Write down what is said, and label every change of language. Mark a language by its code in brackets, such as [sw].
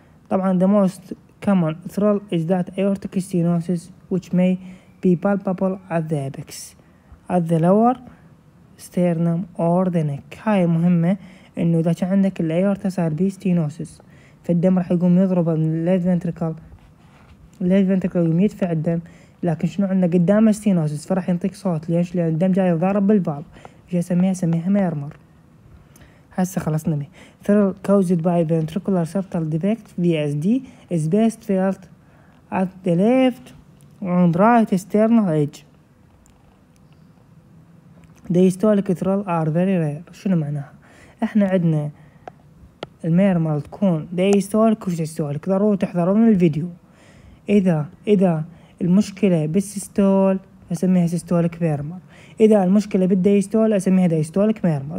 [ar] طبعا [en] the most common thrill is that aortic stenosis which may be palpable at the apex at the lower sternum or the neck. [ar] هاي مهمة، انه اذا كان عندك الايورتا صار بي ستينوسس، فالدم راح يقوم يضرب من left ventricle، left ventricle يقوم يدفع الدم، لكن شنو عندك قدامه؟ ستينوسس، فراح ينطيك صوت. ليش؟ لان الدم جاي يضرب بالفالف. ايش اسميها؟ اسميها ميرمر. هسه خلصنا منه. [en] Thrill caused by ventricular septal defect VSD is best felt at the left and right sternal edge. Diastolic thrill are very rare. [ar] شنو معناها؟ احنا عندنا الميرمال تكون diastolic وسيستولك، ضروري تحضرون الفيديو. اذا المشكله بالسيستول اسميها سيستوليك ميرمر، اذا المشكله بالديستول اسميها ديستوليك ميرمر.